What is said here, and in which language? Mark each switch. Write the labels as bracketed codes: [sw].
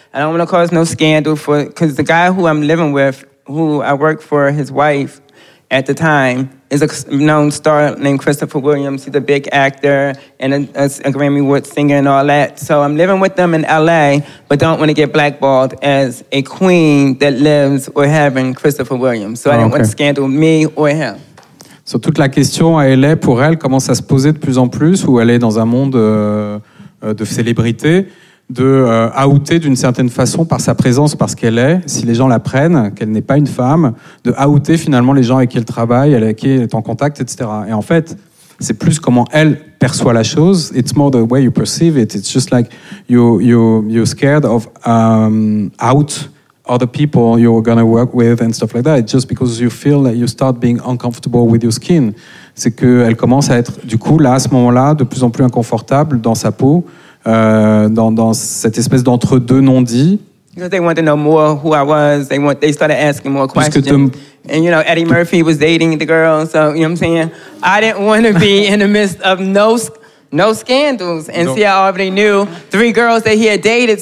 [en] I don't want to cause no scandal for, because the guy who I'm living with, who I work for, his wife at the time, is a known star named Christopher Williams. He's a big actor and a Grammy Award singer and all that. So I'm living with them in L.A., but don't want to get blackballed as a queen that lives or having Christopher Williams. So I didn't want to scandal me or him. [fr] So toute la question à L.A. pour elle commence à se poser de plus en plus, où elle est dans un monde de célébrité, de outer d'une certaine façon par sa présence, parce qu'elle est, si les gens l'apprennent, qu'elle n'est pas une femme, de outer finalement les gens avec qui elle travaille, avec qui elle est en contact, etc. Et en fait, c'est plus comment elle perçoit la chose. [en] It's more the way you perceive it. It's just like you're scared of out other people you're gonna work with and stuff like that. It's just because you feel that you start being uncomfortable with your skin. [fr] C'est qu'elle commence à être, du coup, là, à ce moment-là, de plus en plus inconfortable dans sa peau, dans cette espèce d'entre-deux non-dits. [en] Because they want to know more who I was. They started asking more questions. And, you know, Eddie Murphy was dating the girl. So, you know what I'm saying? I didn't want to be in the midst of no scandals. And see, I already knew three girls that he had dated.